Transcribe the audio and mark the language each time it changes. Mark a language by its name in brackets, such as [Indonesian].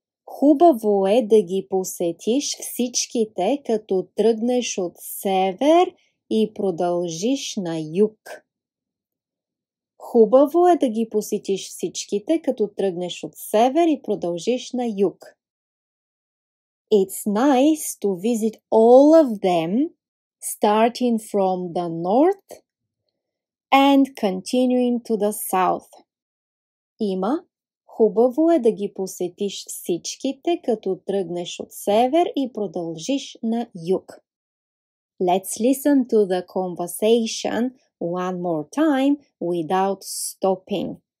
[Bulgarian] Хубаво е да ги посетиш всичките, като тръгнеш от север и продължиш на юг. Хубаво е да ги посетиш всичките, като тръгнеш от север и продължиш на юг. [English] It's nice to visit all of them, starting from the north and continuing to the south. [Bulgarian] Има. Хубаво е да ги посетиш всичките, като тръгнеш от север и продължиш на юг. [English] Let's listen to the conversation one more time without stopping.